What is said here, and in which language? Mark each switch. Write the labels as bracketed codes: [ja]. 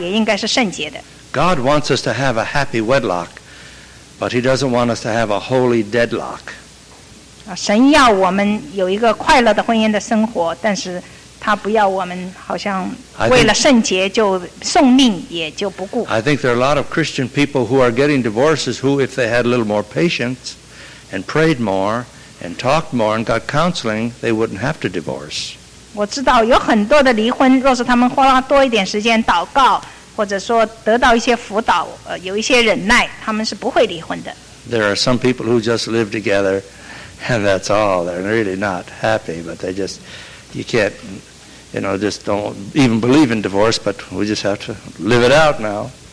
[zh] 有人说到你要结婚的话就应该很快乐，但是你若是分开的话，也应该是圣洁的。 [en] God wants us to have a happy wedlock, but He doesn't want us to have a holy deadlock. [zh] 神要我们有一个快乐的婚姻的生活，但是 [en] I think there are a lot of Christian people who are getting divorces who, if they had a little more patience and prayed more and talked more and got counseling, they wouldn't have to divorce. [zh] 我知道有很多的离婚，若是他们花了多一点时间祷告，或者说得到一些辅导，有一些忍耐，他们是不会离婚的。 [en] There are some people who just live together, and that's all. They're really not happy, but they just, you can't... You know, just don't even believe in divorce, but we just have to live it out now.